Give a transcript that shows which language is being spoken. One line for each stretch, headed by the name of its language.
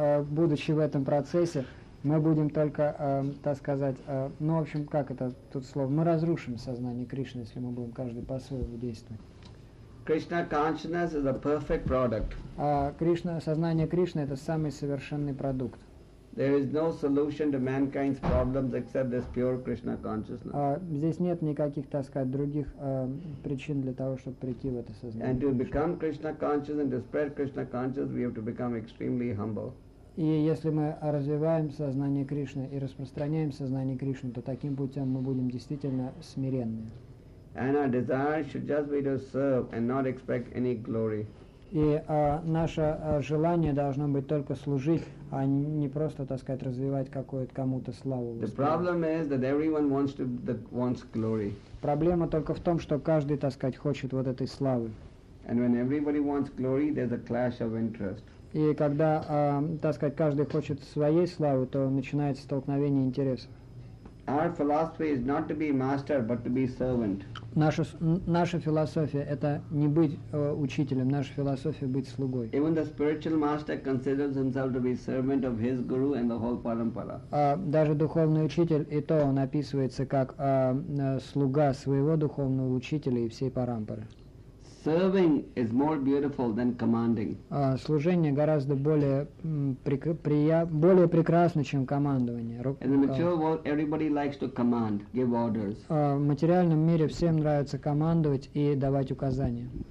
Russian: Будучи в этом процессе, мы будем только, так сказать, ну, в общем, как это тут слово, мы разрушим сознание Кришны, если мы будем каждый по-своему действовать.
English: Krishna consciousness is a perfect product.
Russian: Сознание Кришны — это самый совершенный продукт.
English: There is no solution to mankind's problems except this pure Krishna consciousness.
Russian: Здесь нет никаких, так сказать, других причин для того, чтобы прийти в это сознание.
English: And to become Krishna conscious and to spread Krishna consciousness, we have to become extremely humble.
Russian: И если мы развиваем сознание Кришны и распространяем сознание Кришны, то таким путем мы будем действительно смиренны.
English: And our desire should just be to serve and not expect any glory.
Russian: И наше желание должно быть только служить, а не просто, так сказать, развивать какую-то кому-то славу.
English: The problem is that everyone wants glory.
Russian: Проблема только в том, что каждый, так сказать, хочет вот этой славы.
English: And when everybody wants glory, there's a clash of interest.
Russian: И когда, так сказать, каждый хочет своей славы, то начинается столкновение интересов.
English: Our philosophy is not to be master, but to be servant.
Russian: Наша философия — это не быть учителем, наша философия — быть слугой.
English: Even the spiritual master considers himself to be servant of his guru and the whole parampara.
Russian: Даже духовный учитель, и то он описывается как слуга своего духовного учителя и всей парампары.
English: Serving is more beautiful than commanding.
Russian: Служение гораздо более прекрасно, чем командование.
English: In the material world, everybody likes to command, give orders.
Russian: В материальном мире всем нравится командовать и давать указания.